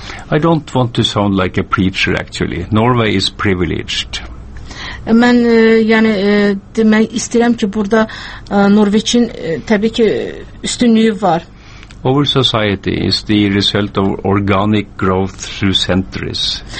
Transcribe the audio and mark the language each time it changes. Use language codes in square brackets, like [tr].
[en] I don't want to sound like a preacher actually. Norway is privileged. [az] Mən yəni demək istəyirəm ki, burada Norveçin təbii ki üstünlüyü var. [en] Our society is the result of organic growth through centuries.